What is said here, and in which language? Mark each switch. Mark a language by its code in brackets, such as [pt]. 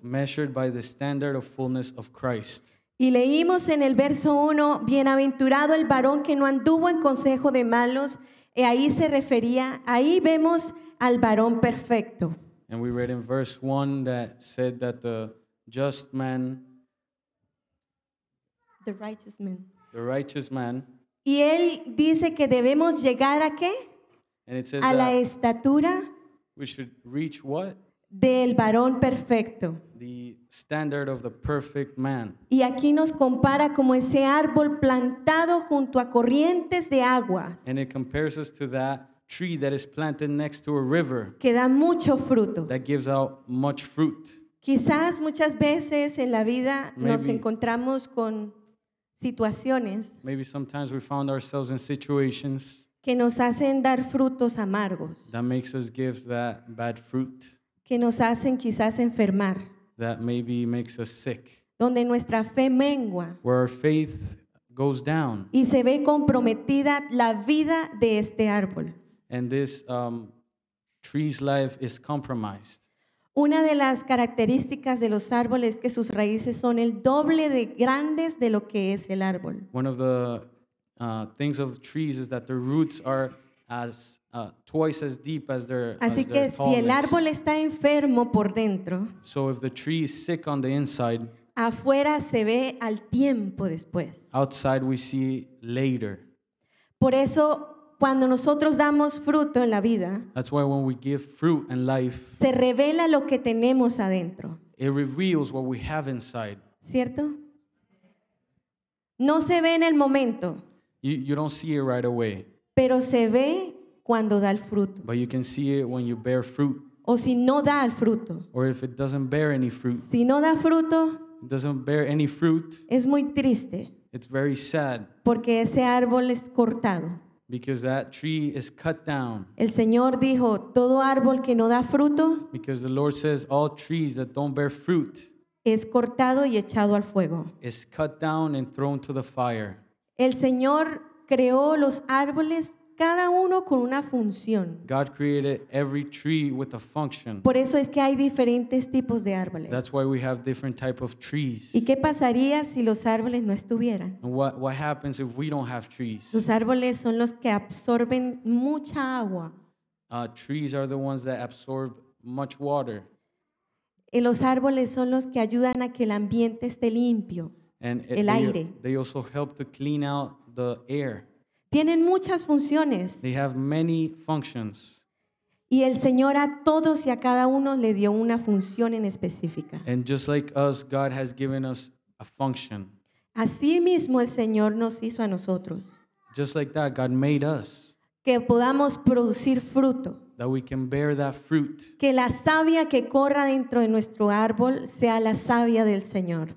[en] Measured by the standard of fullness of Christ. [es] Y leímos en el verso 1, bienaventurado el varón que no anduvo en consejo de malos, y ahí se refería, ahí vemos al varón perfecto. [en] And we read in verse 1 that said that the just man, the righteous man. The righteous man. [es] Y él dice que debemos llegar a qué? [en] And it says [es] a la estatura. [en] We should reach what? [es] Del varón perfecto. [en] The standard of the perfect man. [es] Y aquí nos compara como ese árbol plantado junto a corrientes de agua. [en] And it compares us to that tree that is planted next to a river. [es] Que da mucho fruto. [en] That gives out much fruit. [es] Quizás muchas veces en la vida nos encontramos con situaciones [en] maybe sometimes we found ourselves in situations [es] que nos hacen dar frutos amargos [en] that makes us give that bad fruit [es] que nos hacen quizás enfermar [en] that maybe makes us sick [es] donde nuestra fe mengua [en] where our faith goes down [es] y se ve comprometida la vida de este árbol [en] and this tree's life is compromised. [es] Una de las características de los árboles es que sus raíces son el doble de grandes de lo que es el árbol. [en] One of the things of the trees is that the roots are as twice as deep as their tallness. [es] Así que si el árbol está enfermo por dentro, [en] so if the tree is sick on the inside, [es] afuera se ve al tiempo después. [en] Outside we see later. [es] Por eso cuando nosotros damos fruto en la vida, [en] that's why when we give fruit in life, [es] se revela lo que tenemos adentro. [en] It reveals what we have inside. [es] ¿Cierto? No se ve en el momento. [en] You don't see it right away. [es] Pero se ve cuando da el fruto. [en] But you can see it when you bear fruit. [es] O si no da el fruto. [en] Or if it doesn't bear any fruit. [es] Si no da fruto, [en] it doesn't bear any fruit. [es] Es muy triste. [en] It's very sad. [es] Porque ese árbol es cortado. [en] Because that tree is cut down. [es] El Señor dijo, todo árbol que no da fruto, [en] because the Lord says all trees that don't bear fruit, [es] es cortado y echado al fuego. [en] Is cut down and thrown to the fire. [es] El Señor creó los árboles cada uno con una función. [en] God created every tree with a function. [es] Por eso es que hay diferentes tipos de árboles. [en] That's why we have different type of trees. [es] ¿Y qué pasaría si los árboles no estuvieran? [en] What happens if we don't have trees? [es] Los árboles son los que absorben mucha agua. [en] Trees are the ones that absorb much water. [es] Y los árboles son los que ayudan a que el ambiente esté limpio. [en] And el aire. They also help to clean out the air. [es] Tienen muchas funciones. [en] They have many functions. [es] Y el Señor a todos y a cada uno le dio una función en específica. [en] And just like us, God has given us a function. [es] Así mismo el Señor nos hizo a nosotros. [en] Just like that, God made us. [es] Que podamos producir fruto. [en] That we can bear that fruit. [es] Que la savia que corra dentro de nuestro árbol sea la savia del Señor.